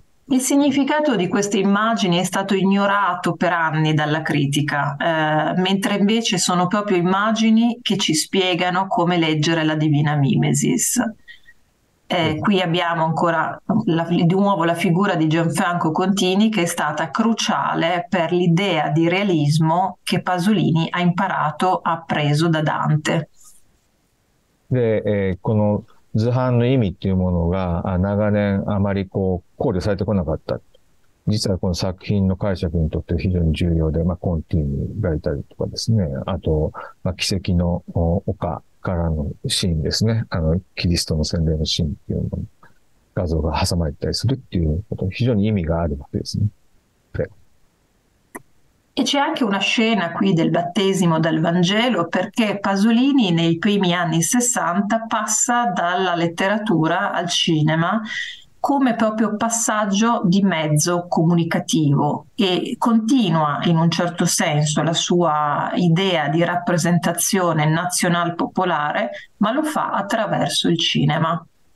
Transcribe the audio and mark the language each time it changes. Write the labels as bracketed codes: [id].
[it] Il significato di queste immagini è stato ignorato per anni dalla critica, mentre invece sono proprio immagini che ci spiegano come leggere la Divina Mimesis. Qui abbiamo ancora di nuovo la figura di Gianfranco Contini, che è stata cruciale per l'idea di realismo che Pasolini ha imparato, ha preso da Dante. [ja] で、この図版の意味っていうものが、長年あまりこう考慮されてこなかった。実はこの作品の解釈にとって非常に重要で、まあ、コンティニーがいたりとかですね。あと、まあ、奇跡の丘からのシーンですね。キリストの洗礼のシーンっていうの、画像が挟まれたりするっていうこと、非常に意味があるわけですね。 [it] E c'è anche una scena qui del battesimo dal Vangelo perché Pasolini nei primi anni 60 passa dalla letteratura al cinema come proprio passaggio di mezzo comunicativo e continua in un certo senso la sua idea di rappresentazione nazional popolare, ma lo fa attraverso il cinema.